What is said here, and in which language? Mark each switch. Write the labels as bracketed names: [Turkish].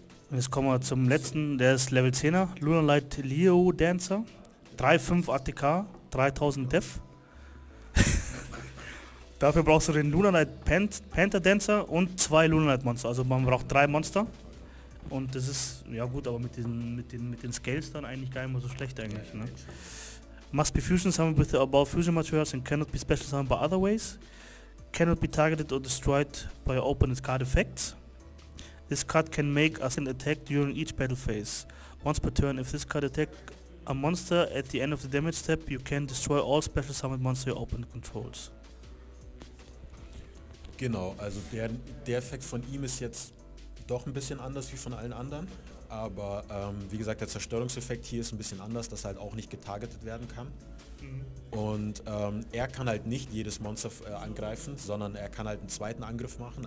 [German] Jetzt kommen wir zum letzten, der ist Level 10er, Lunalight Leo Dancer, 3-5 ATK, 3000 Def. Dafür brauchst du den Lunalight Panther Dancer und zwei Lunalight Monster, also man braucht drei Monster. Und das ist, ja gut, aber mit den Scales dann eigentlich gar nicht mehr so schlecht eigentlich. Ne? [English] Must be fusion summoned with the above fusion materials and cannot be special summoned by other ways. Cannot be targeted or destroyed by your opponent's card effects. This card can make a second attack during each battle phase. Once per turn, if this card attack a monster at the end of the damage step, you can destroy all special summoned monster your opponent controls. [German] Genau, also der Effekt von ihm ist jetzt doch ein bisschen anders wie von allen anderen. Aber wie gesagt, der Zerstörungseffekt hier ist ein bisschen anders, dass halt auch nicht getargetet werden kann. Und er kann halt nicht jedes Monster angreifen, sondern er kann halt einen zweiten Angriff machen.